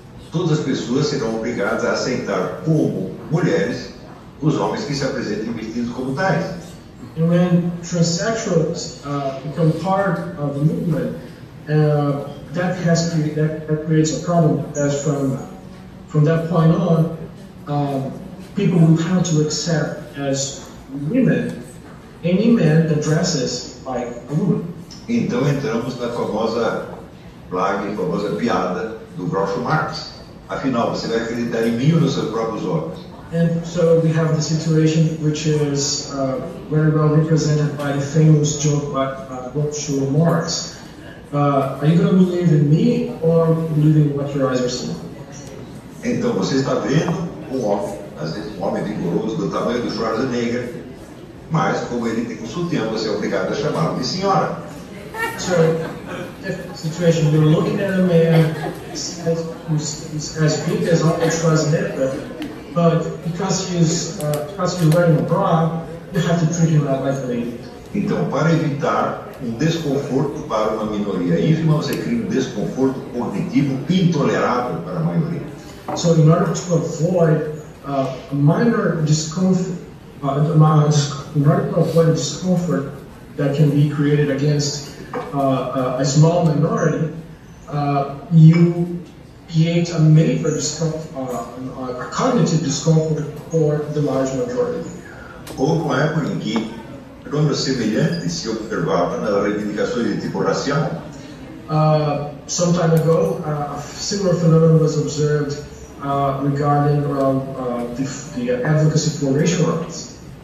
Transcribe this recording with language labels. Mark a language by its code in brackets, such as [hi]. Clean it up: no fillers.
[pt] Todas as pessoas serão obrigadas a aceitar como mulheres os homens que se apresentem vestidos como tais. [en] And when transsexuals become part of the movement, that creates a problem, as from that point on, people will have to accept as women any man that dresses like a woman. [pt] Então entramos na famosa plaga, famosa piada do Groucho Marx. Afinal, você vai acreditar em mim ou nos seus próprios olhos? [en] And so we have the situation which is very well represented by the famous joke by Groucho Marx. Are you going to believe in me or believe in what your eyes are seeing? [pt] Então você está vendo um homem, às vezes um homem vigoroso do tamanho do Schwarzenegger, mas como ele tem um sutiã, você é obrigado a chamá-lo de senhora. [en] So, different situation. You're looking at a man who's as big as Arnold Schwarzenegger, but because he's wearing a bra, you have to treat him like a lady. [pt] Então, para evitar um desconforto para uma minoria ínfima, você cria um desconforto cognitivo intolerável para a maioria. [en] So, in order to avoid a discomfort that can be created against a small minority, you create a major a cognitive discomfort for the large majority. [pt] Houve uma época em que fenômenos semelhantes se observavam nas reivindicações de tipo racial. [en] Some time ago, a similar phenomenon was observed regarding the advocacy for racial rights.